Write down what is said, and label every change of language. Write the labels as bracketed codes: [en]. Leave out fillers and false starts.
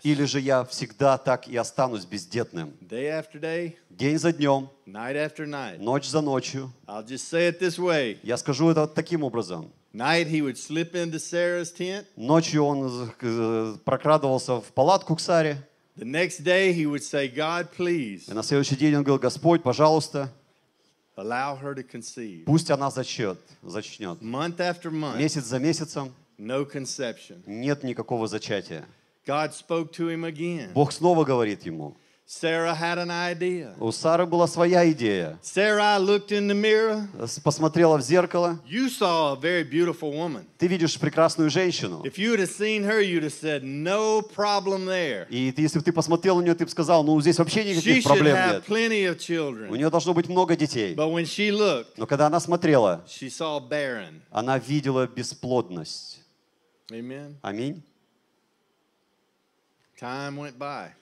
[ru] Или же я всегда так и останусь бездетным? [en] Day after day, [ru] день за днем, [en] night after night, [ru] ночь за ночью. [en] I'll just say it this way. [ru] Я скажу это таким образом. [en] Night he would slip into Sarah's tent. [ru] Ночью он прокрадывался в палатку к Саре. [en] The next day he would say, God, please. [ru] И на следующий день он говорил: Господь, пожалуйста. [en] Allow her to conceive. [ru] Пусть она зачнет. [en] Month after month. [ru] Месяц за месяцем. [en] No conception. [ru] Нет никакого зачатия. [en] God spoke to him again. [ru] Бог снова говорит ему. [en] Sarah had an idea. [ru] У Сары была своя идея. [en] Sarah looked in the mirror. [ru] Посмотрела в зеркало. [en] You saw a very beautiful woman. [ru] Ты видишь прекрасную женщину. [en] If you would have seen her, you'd have said, no problem there. [ru] И если бы ты посмотрел на нее, ты бы сказал, ну здесь вообще никаких проблем нет. [en] She should have plenty of children. [ru] У нее должно быть много детей. [en] But when she looked, [ru] но когда она смотрела, [en] she saw barren. [ru] Она видела бесплодность. [en] Amen. [ru] Аминь. [en] Time went by.